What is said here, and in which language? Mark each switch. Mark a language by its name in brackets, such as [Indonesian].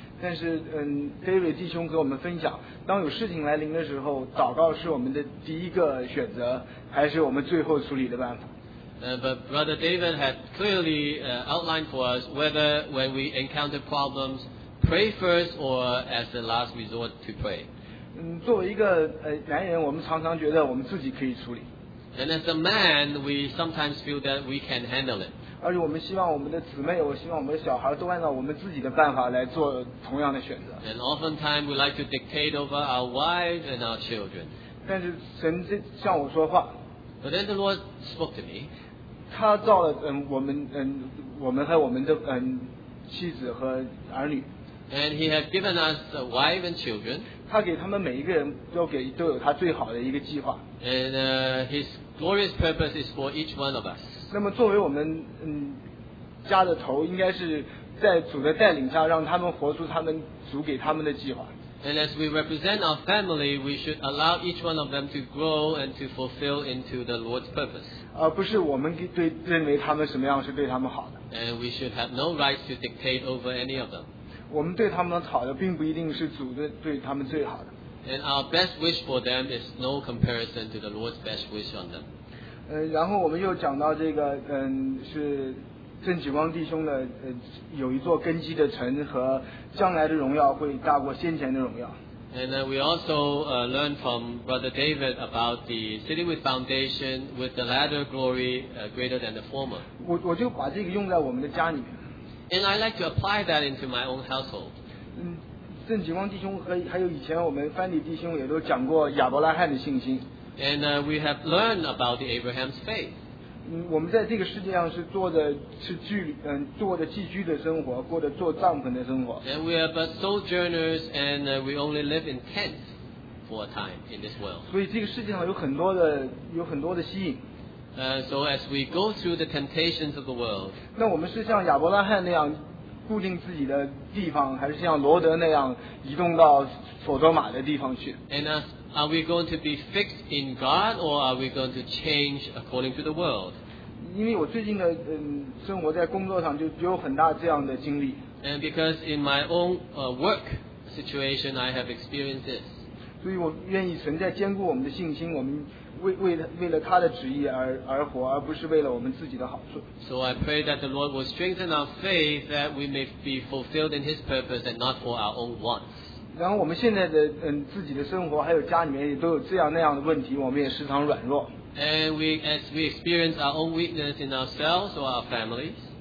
[Chinese] 但是David 弟兄给我们分享，当有事情来临的时候，祷告是我们的第一个选择，还是我们最后处理的办法？ [English] But Brother David had clearly outlined for us whether when we encounter problems, pray first or as the last resort to pray. [Chinese] 作为一个男人，我们常常觉得我们自己可以处理。 [English] And as a man, we sometimes feel that we can handle it. [Chinese] 而且我们希望我们的姊妹，我希望我们的小孩都按照我们自己的办法来做同样的选择。 [English] And oftentimes we like to dictate over our wives and our children. [Chinese] 但是神这向我说话。 [English] But then the Lord spoke to me. [Chinese] 他造了我们我们和我们的妻子和儿女。 [English] And he has given us a wife and children. [Chinese] 他给他们每一个人都给都有他最好的一个计划。 [English] And his glorious purpose is for each one of us. [Chinese] 那么作为我们家的头，应该是在主的带领下，让他们活出他们主给他们的计划。 [English] And as we represent our family, we should allow each one of them to grow and to fulfill into the Lord's purpose. [Chinese] 而不是我们对认为他们什么样是对他们好的。 [English] And we should have no right to dictate over any of them. [Chinese] 我们对他们好的并不一定是主的对他们最好的。 [English] And our best wish for them is no comparison to the Lord's best wish on them. [Chinese] 然后我们又讲到这个是郑启光弟兄的有一座根基的城和将来的荣耀会大过先前的荣耀。 [English] And then we also learn from Brother David about the city with foundation with the latter glory greater than the former. [Chinese] 我就把这个用在我们的家里面。 [English] And I like to apply that into my own household. [Chinese] 郑启光弟兄和还有以前我们翻译弟兄也都讲过亚伯拉罕的信心。 [English] And we have learned about the Abraham's faith. [Chinese] 我们在这个世界上是做的是居做的寄居的生活，过的做帐篷的生活。 [English] And we are but sojourners, and we only live in tents for a time in this world. [Chinese] 所以这个世界上有很多的吸引。 [English] So as we go through the temptations of the world. [Chinese] 那我们是像亚伯拉罕那样固定自己的地方，还是像罗德那样移动到索多玛的地方去 [English] ？And us. Are we going to be fixed in God or are we going to change according to the world? [Chinese] 因为我最近的生活在工作上就有很大这样的经历。 [English] And because in my own work situation, I have experienced this. [Chinese] 所以我愿意存在坚固我们的信心，我们为了他的旨意而活，而不是为了我们自己的好处。 [English] So I pray that the Lord will strengthen our faith that we may be fulfilled in His purpose and not for our own wants. [Chinese] 然后我们现在的自己的生活还有家里面也都有这样那样的问题，我们也时常软弱。 [English] And we, as we experience our own weakness in ourselves or our families.